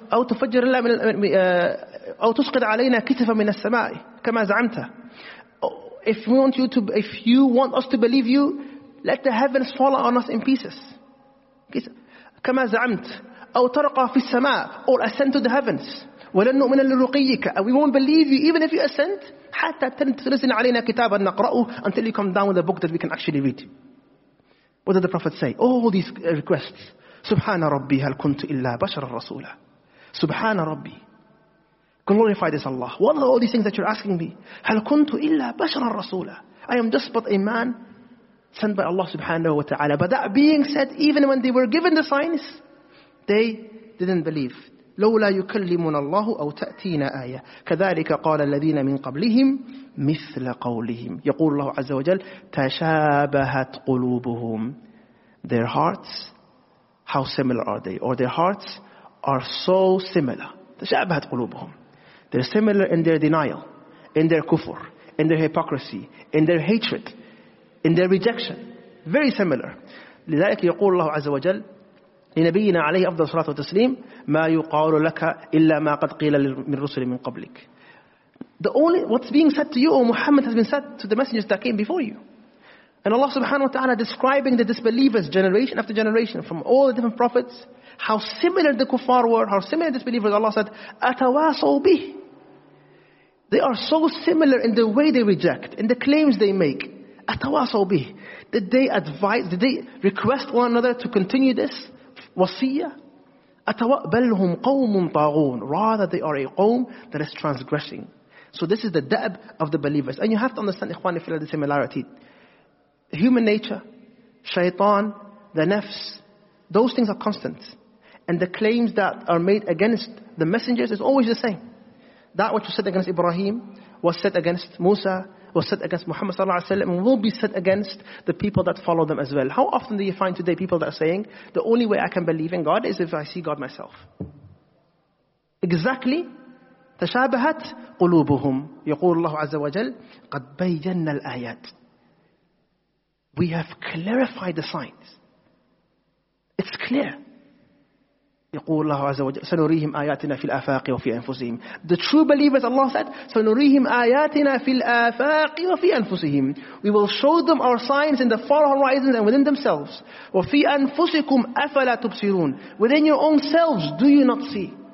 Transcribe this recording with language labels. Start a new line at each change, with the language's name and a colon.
Arabic: أو تفجر لنا من أو تسقط علينا كتفا من السماء كما زعمت.
English: If we want you to, if you want us to believe you, let the heavens fall on us in pieces.
Arabic: كما زعمت. أو ترقى في السماء,
English: or ascend to the heavens.
Arabic: ولن نؤمن لرقيك.
English: We won't believe you even if you ascend.
Arabic: حتى تنزل علينا كتابا نقرأه,
English: until you come down with a book that we can actually read. What did the Prophet say? All these requests.
Arabic: سبحان ربي هل كنت إلا بشر الرسول. سبحان ربي.
English: Glorified is Allah. What are all these things that you're asking me?
Arabic: هل كنت إلا بشر الرسول.
English: I am just but a man sent by Allah subhanahu wa ta'ala. But that being said, even when they were given the signs, they didn't believe.
Arabic: لولا يكلمنا الله أو تأتينا آية كذلك قال الذين من قبلهم مثل قولهم. يقول الله عز وجل تشابهت قلوبهم.
English: Their hearts, how similar are they? Or their hearts are so similar.
Arabic: تشابهت قلوبهم.
English: They're similar in their denial, in their kufr, in their hypocrisy, in their hatred, in their rejection. Very similar.
Arabic: لذلك يقول الله عز وجل لنبينا عليه أفضل الصلاة والتسليم ما يقال لك إلا ما قد قيل من رسل من قبلك.
English: The only what's being said to you, O Muhammad, has been said to the messengers that came before you. And Allah subhanahu wa ta'ala describing the disbelievers generation after generation from all the different prophets, how similar the kuffar were, how similar the disbelievers. Allah said
Arabic: أتواصوا به.
English: They are so similar in the way they reject, in the claims they make.
Arabic: أتواصوا به.
English: Did they advise, did they request one another to continue this wasiyah?
Arabic: أتوأبلهم قوم طاغون.
English: Rather, they are a قوم that is transgressing. So this is the da'b of the believers. And you have to understand, ikhwani fillah, the similarity. Human nature, shaitan, the nafs, those things are constant. And the claims that are made against the messengers is always the same. That which was said against Ibrahim was said against Musa, was said against Muhammad sallallahu alaihi wasallam, and will be said against the people that follow them as well. How often do you find today people that are saying, the only way I can believe in God is if I see God myself? Exactly.
Arabic: تشابهت قلوبهم. يقول الله عز وجل قد بينا الآيات.
English: We have clarified the signs. It's clear.
Arabic: يقول الله عز وجل سنريهم آياتنا في الآفاق وفي أنفسهم.
English: The true believers, Allah said
Arabic: سنريهم آياتنا في الآفاق وفي أنفسهم.
English: We will show them our signs in the far horizons and within themselves.
Arabic: وفي أنفسكم أفلا تبصرون.
English: Within your own selves, do you not see?